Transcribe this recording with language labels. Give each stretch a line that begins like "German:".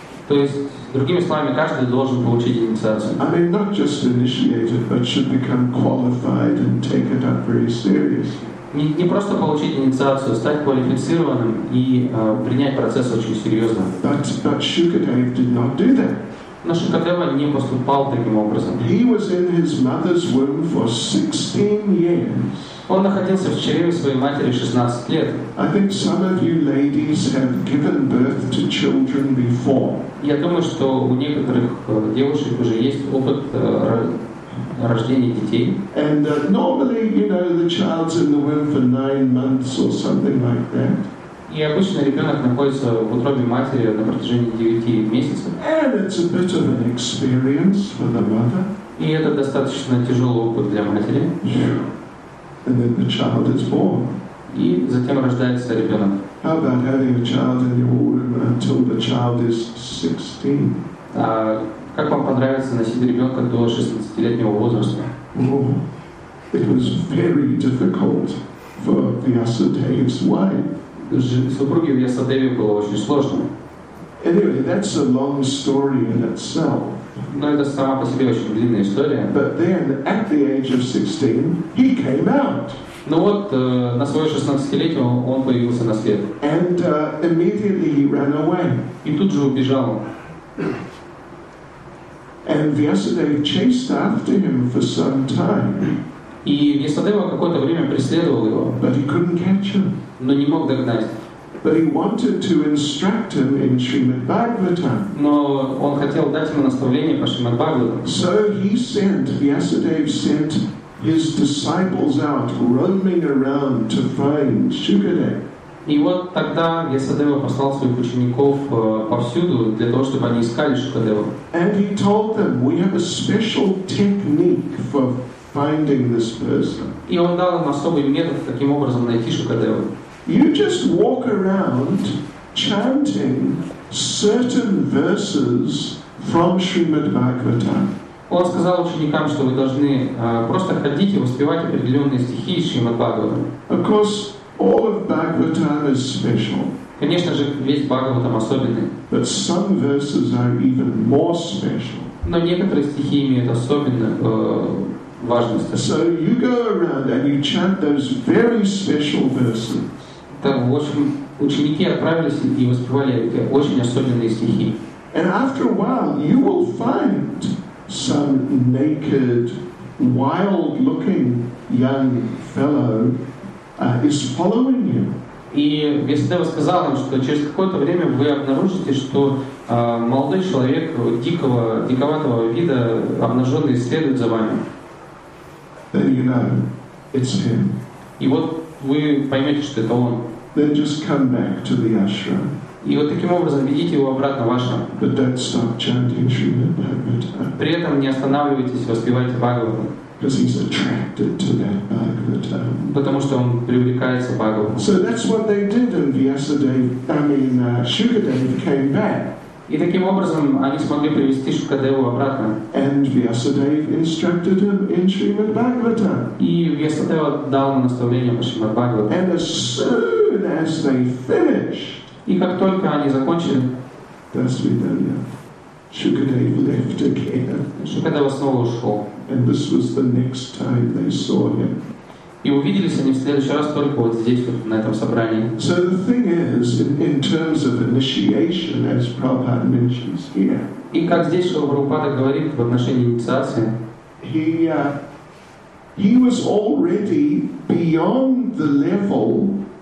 Russian: То есть, другими словами, каждый должен получить инициацию.
English: I mean, not just initiated, but should become qualified and take it up very seriously.
Russian: Не просто получить инициацию, стать квалифицированным и принять процесс очень серьезно.
English: But Shukadev did not do that.
Russian: Но Шукадева не поступал таким образом.
English: He was in his mother's womb for 16 years.
Russian: Он находился в чреве своей матери 16 лет.
English: I think some of you ladies have given birth to children before.
Russian: Я думаю, что у некоторых девушек уже есть опыт рождения детей.
English: And normally, you know, the child's in the womb for 9 months or something like that.
Russian: И обычно ребенок находится в утробе матери на протяжении 9 месяцев.
English: And it's a bit of an experience for the mother.
Russian: И это достаточно тяжелый опыт для матери.
English: And then the child is born.
Russian: И затем рождается ребенок.
English: How about having a child in your womb until the child is 16?
Russian: Как вам понравится носить ребенка до 16-летнего возраста?
English: Oh, it was very difficult for Vyasadeva's wife.
Russian: Супруге Вьясадеве было очень сложно.
English: Anyway, that's a long story in itself.
Russian: Но это сама по себе очень длинная история.
English: But then, at the age of 16, he came out.
Russian: Но вот на свое 16-летие он появился на свет.
English: And immediately he ran away.
Russian: И тут же убежал.
English: And Vyasadeva chased after him for some time.
Russian: И Вьясадева какое-то время преследовал его.
English: But he couldn't catch him.
Russian: Но не мог догнать.
English: But he wanted to instruct him in Srimad Bhagavatam.
Russian: Но он хотел дать ему наставление по Шримад Бхагаватам.
English: So he sent, Vyasadeva sent his disciples out roaming around to find Shukadev.
Russian: И вот тогда Вьясадева послал своих учеников повсюду для того, чтобы они искали Шукадева.
English: And he told them, we have a special technique for finding this person.
Russian: И он дал им особый метод, каким образом найти Шукадева.
English: You just walk around chanting certain verses from Srimad Bhagavatam.
Russian: Он сказал ученикам, что вы должны просто ходить и воспевать определенные стихи из Шримад Бхагаватам.
English: Of course, all of Bhagavatam is special.
Russian: Конечно же, весь Бхагаватам особенный.
English: But some verses are even more special.
Russian: Но некоторые стихи имеют особенную важность.
English: So you go around and you chant those very special verses.
Russian: Так, в общем, ученики отправились и воспевали эти очень особенные стихи.
English: And after a while, you will find some naked, wild-looking young fellow is following you.
Russian: И Вьясадева сказал им, что через какое-то время вы обнаружите, что молодой человек диковатого вида, обнаженный, следует за вами.
English: Then you know, it's him.
Russian: И вот вы поймете, что это он.
English: Then just come back to the ashram.
Russian: И вот таким образом ведите его обратно в ашрам.
English: But don't stop chanting Srimad Bhagavatam.
Russian: При этом не останавливайтесь, воспевайте Бхагаватам.
English: Because he's attracted to that Bhagavatam.
Russian: Потому что он привлекается Бхагаватам.
English: So that's what they did, and Shukadev came back.
Russian: И таким образом они смогли привести Шукадеву обратно.
English: And Vyasadev instructed him in Srimad Bhagavatam.
Russian: И Вьясадева дал ему наставление по Шримад Бхагаватам.
English: And as soon as they finished,
Russian: и как только они закончили, Dasvidanya,
English: Shukadev left again.
Russian: Шукадева снова ушел.
English: And this was the next time they saw him.
Russian: И увиделись они в следующий раз только вот здесь, вот на этом собрании.
English: So the thing is, in terms of initiation, as Prabhupada mentions here.
Russian: И как здесь Шрила Прабхупада говорит в отношении инициации.
English: He was already beyond the level